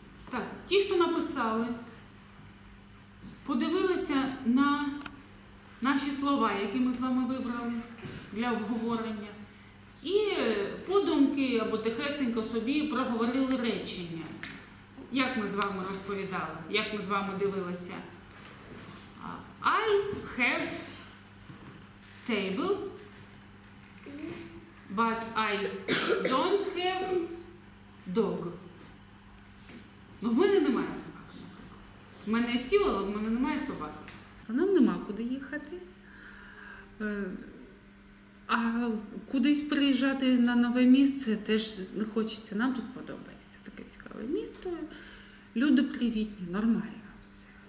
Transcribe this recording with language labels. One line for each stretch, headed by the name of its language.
Ukrainian: Так, ті, хто написали, подивилися на наші слова, які ми з вами вибрали для обговорення. І подумки або тихесенько собі проговорили речення, як ми з вами розповідали, як ми з вами дивилися.
English: I have table, but I don't have dog.
Ukrainian: Ну, в мене немає собаки. В мене є стіл, але в мене немає собаки. А нам нема куди їхати. А кудись приїжджати на нове місце теж не хочеться. Нам тут подобається. Таке цікаве місто. Люди привітні, нормально все.